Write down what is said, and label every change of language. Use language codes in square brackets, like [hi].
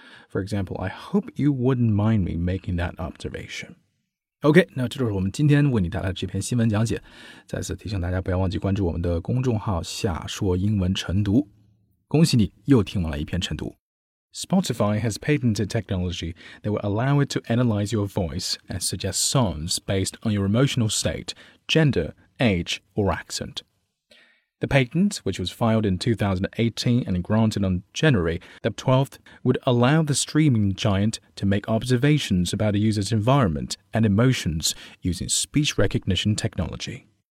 [en] For example, I hope you wouldn't mind me making that observation. [zh] OK, 那这就是我们今天为你带来的这篇新闻讲解。再次提醒大家不要忘记关注我们的公众号下说英文晨读。恭喜你又听完了一篇晨读。 [en] Spotify has patented technology that will allow it to analyze your voice and suggest songs based on your emotional state, gender,age, or accent. The patent, which was filed in 2018 and granted on January the 12th, would allow the streaming giant to make observations about a user's environment and emotions using speech recognition technology.